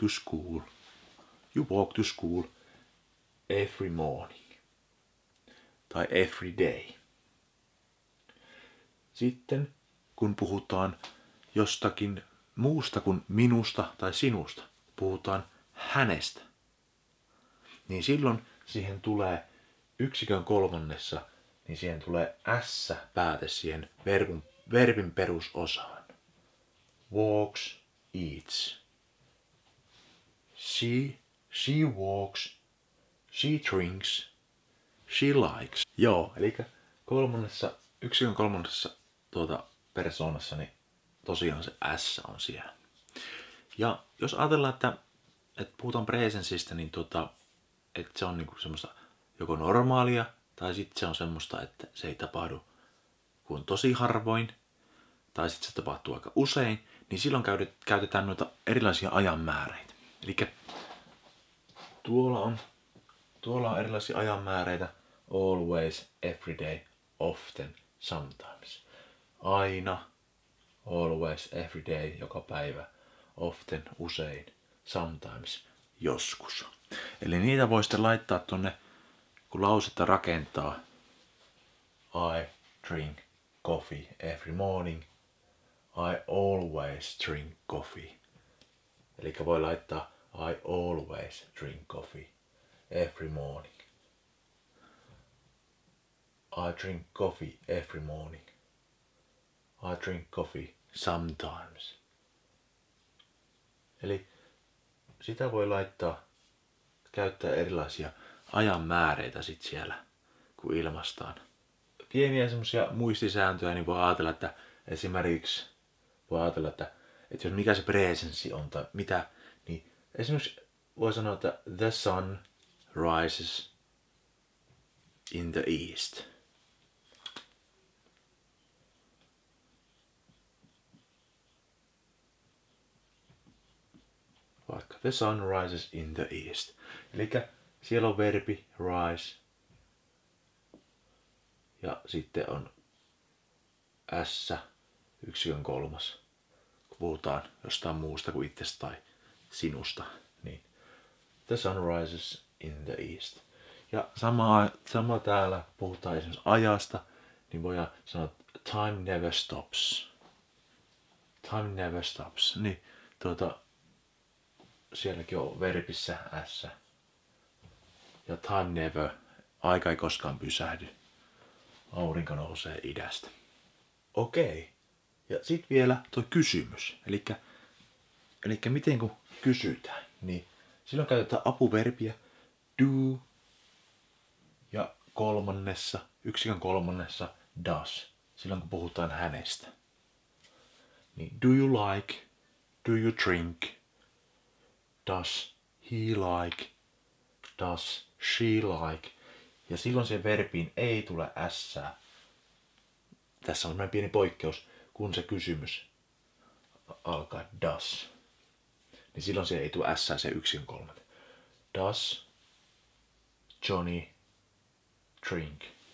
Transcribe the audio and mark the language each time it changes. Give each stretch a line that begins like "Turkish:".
English: You walk to school every morning. Tai every day.
Finnish: Sitten, kun puhutaan jostakin muusta kuin minusta tai sinusta, puhutaan hänestä, niin silloin siihen tulee yksikön kolmannessa, niin siihen tulee s-pääte siihen verbin perusosaan.
English: Walks, eats. She walks, she drinks, she likes.
Finnish: Joo, eli yksikön kolmannessa persoonassa, niin tosiaan se s on siellä. Ja jos ajatellaan, että puhutaan presenssistä, niin että se on niinku semmoista joko normaalia, tai sitten se on semmoista, että se ei tapahdu kuin tosi harvoin, tai sitten se tapahtuu aika usein, niin silloin käytetään noita erilaisia ajanmääreitä. Eli tuolla on erilaisia ajanmääreitä:
English: always, everyday, often, sometimes.
Finnish: Aina,
English: always, everyday,
Finnish: joka päivä,
English: often,
Finnish: usein,
English: sometimes,
Finnish: joskus. Eli niitä voi sitten laittaa tuonne, kun lausetta rakentaa.
English: I drink coffee every morning. I always drink coffee.
Finnish: Eli voi laittaa
English: I always drink coffee every morning. I drink coffee every morning. I drink coffee sometimes.
Finnish: Eli sitä voi laittaa, käyttää erilaisia ajanmääreitä sit siellä, kun ilmaistaan. Pieniä semmosia muistisääntöjä, niin voi ajatella, että esimerkiksi voi ajatella, että jos mikä se presenssi on tai mitä, niin esimerkiksi voi sanoa, että
English: the sun rises in the east.
Finnish: Vaikka
English: the sun rises in the east.
Finnish: Eli siellä on verbi
English: rise.
Finnish: Ja sitten on s, yksikön kolmas. Kun puhutaan jostain muusta kuin itsestä tai sinusta. Niin.
English: The sun rises in the east.
Finnish: Ja sama täällä puhutaan esimerkiksi ajasta. Niin voidaan sanoa,
English: time never stops. Time never stops.
Finnish: Niin sielläkin on verbissä s. Ja
English: time never,
Finnish: aika ei koskaan pysähdy. Aurinko nousee idästä. Okei. Ja sit vielä toi kysymys. Elikkä miten kun kysytään, niin silloin käytetään apuverbiä do. Ja kolmannessa, yksikön kolmannessa does. Silloin kun puhutaan hänestä.
English: Niin do you like, do you drink, does he like, does she like.
Finnish: Ja silloin siihen verbiin ei tule s:ää. Tässä on semmoinen pieni poikkeus, kun se kysymys alkaa does. Niin silloin siihen ei tule s:ää, se yksikön kolmat.
English: Does Johnny drink?